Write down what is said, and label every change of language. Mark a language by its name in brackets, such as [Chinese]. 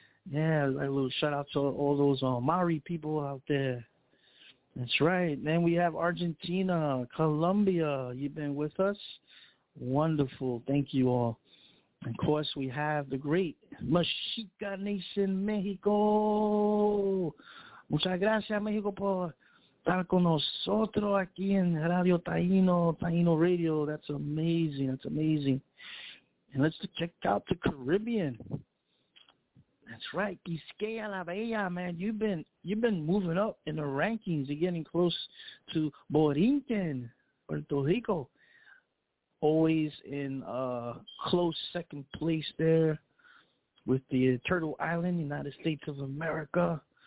[English] Yeah, a little shout out to all those Maori people out there. That's right. Then we have Argentina, Colombia. You've been with us. Wonderful. Thank you all. And of course, we have the great Mexica Nation, Mexico. [Spanish] Muchas gracias, Mexico, por estar con nosotros aquí en Radio Taino, Taino Radio. [English] That's amazing. That's amazing. And let's check out the Caribbean. That's right, Quisqueya La Bella, man. You've been moving up in the rankings. You're getting close to Borinquen, Puerto Rico. Always in close second place there with the Turtle Island, United States of America.